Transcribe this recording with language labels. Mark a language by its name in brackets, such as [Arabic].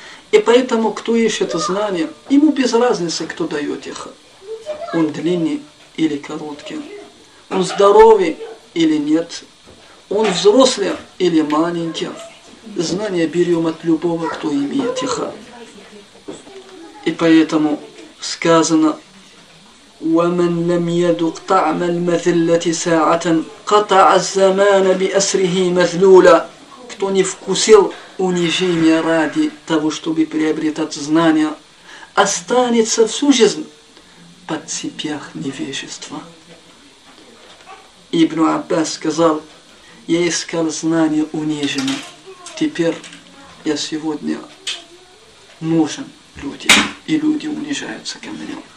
[Russian] И поэтому, кто ищет знания, ему без разницы, кто дает их. Он длинный или короткий. Он здоровый или нет. Он взрослый или маленький. Знания берем от любого, кто имеет их. И поэтому сказано: [Arabic] وَمَنْ لَمْ يَدُقْ طَعْمَ الْمَذِلَّةِ سَاعَةً قَطَعَ الزَّمَانَ بِأَسْرِهِ مَذْلُولًا. [Russian] Кто не вкусил унижение ради того, чтобы приобретать знания, останется всю жизнь под цепях невежества. Ибн Аббас сказал: я искал знания униженные, теперь я сегодня нужен людям, и люди унижаются ко мне.